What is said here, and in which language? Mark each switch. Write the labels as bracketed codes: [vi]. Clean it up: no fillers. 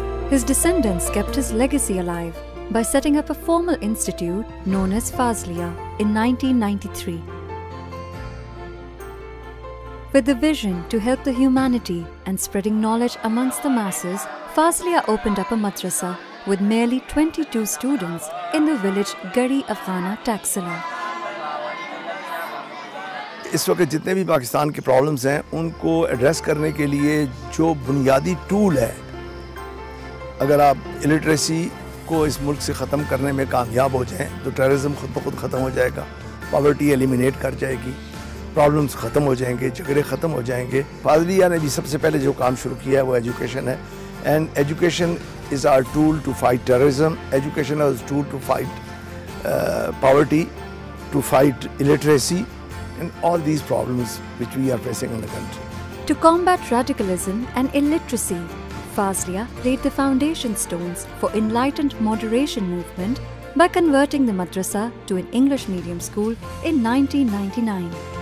[en] His descendants kept his legacy alive by setting up a formal institute known as Fazilia in 1993. With the vision to help the humanity and spreading knowledge amongst the masses, Fazilia opened up a madrasa with merely 22 students in the village Garhi Afghana Taxila. [ur] اس وقت جتنے بھی پاکستان کے problems ہیں ان کو address کرنے کے لیے جو بنیادی ٹول ہے اگر آپ الٹریسی کو اس ملک سے ختم کرنے میں کامیاب ہو جائیں تو ٹیررزم خود بخود ختم ہو جائے گا پاورٹی ایلیمینیٹ کر جائے گی پرابلمز ختم ہو جائیں گے جھگڑے ختم ہو جائیں گے فاضلیہ نے بھی سب سے پہلے جو کام شروع کیا ہے وہ ایجوکیشن ہے [en] And education is are tool to fight terrorism education is tool to fight poverty to fight illiteracy and all these problems which we are facing in the country. To combat radicalism and illiteracy, Fazilia laid the foundation stones for enlightened moderation movement by converting the madrasa to an English medium school in 1999.